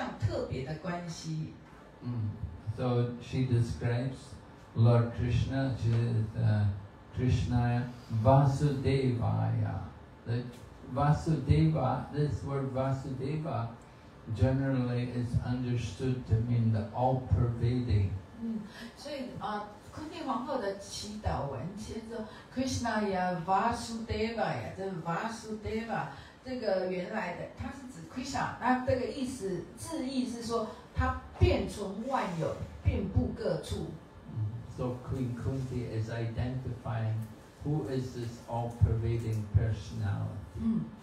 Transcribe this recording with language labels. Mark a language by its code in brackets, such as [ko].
[zh] 而且因为他跟Krishna是有这样特别的关系。 [en] So she describes Lord Krishna, she says, Krishna Vasudevaya. Vasudeva, this word Vasudeva generally is understood to mean the all-pervading. [zh] 所以昆蒂皇后的祈祷文先说 Krishna ya Vasudevaya, 这 Vasudeva, 这个原来的，它是指Krishna，那这个意思字意是说，它遍存万有，遍布各处。 [en] So Queen Kunti is identifying who is this all-pervading personality.